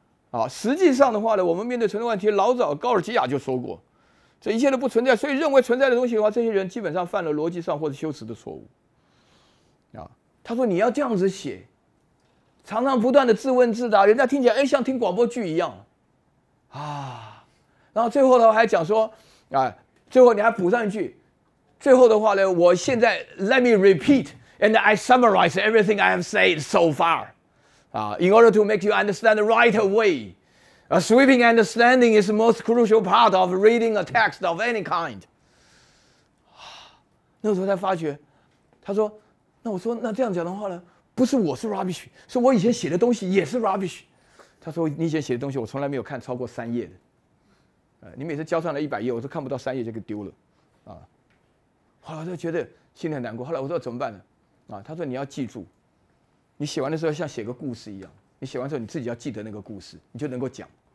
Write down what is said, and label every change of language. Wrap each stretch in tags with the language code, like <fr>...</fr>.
<zh>啊，实际上的话呢，我们面对存在问题，老早高尔基亚就说过，这一切都不存在，所以认为存在的东西的话，这些人基本上犯了逻辑上或者修辞的错误。啊。他说：“你要这样子写，常常不断的自问自答，人家听起来，像听广播剧一样，啊。然后最后的话还讲说，啊，最后你还补上一句，最后的话呢，我现在</zh> <en>let me repeat and I summarize everything I have said so far, in order to make you understand right away. A sweeping understanding is the most crucial part of reading a text of any kind.”</en> <zh>那时候才发觉，他说。那我说，那这样讲的话呢，不是我是 rubbish， 是我以前写的东西也是 rubbish。他说，你以前写的东西我从来没有看超过三页的，你每次交上来100页，我都看不到三页就给丢了，啊。后来我就觉得心里很难过。后来我说怎么办呢？啊，他说你要记住，你写完的时候像写个故事一样，你写完之后你自己要记得那个故事，你就能够讲。</zh>